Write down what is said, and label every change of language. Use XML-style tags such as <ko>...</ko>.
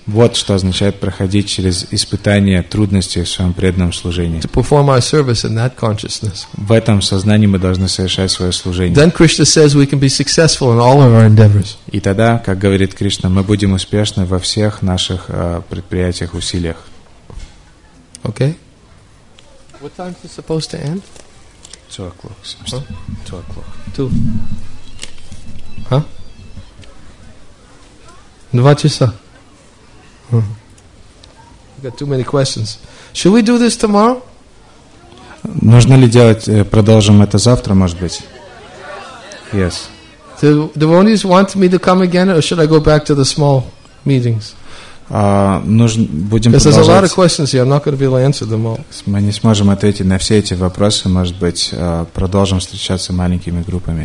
<ru>Вот что означает проходить через испытания трудности в своем преданном служении.</ru> <en>To perform our service in that consciousness.</en> <ru>В этом сознании мы должны совершать свое служение.</ru> <en>Then Krishna says we can be successful in all of our endeavors.</en> <ru>И тогда, как говорит Кришна, мы будем успешны во всех наших предприятиях, усилиях.</ru> <en>Okay. What time is it supposed to end? 2 o'clock. Huh? 2 o'clock. Two. Huh?</en> <ru>2 часа.</ru> <en>We got too many questions. Should we do this tomorrow?</en> <ru>Нужно ли делать? Продолжим это завтра, может быть?</ru> <en>Yes. The devotees want me to come again, or should I go back to the small meetings?</en> <ru>Будем продолжать.</ru> <en>There's a lot of questions here. I'm not going to be able to answer them all.</en> <ru>Мы не сможем ответить на все эти вопросы. Может быть, продолжим встречаться маленькими группами.</ru>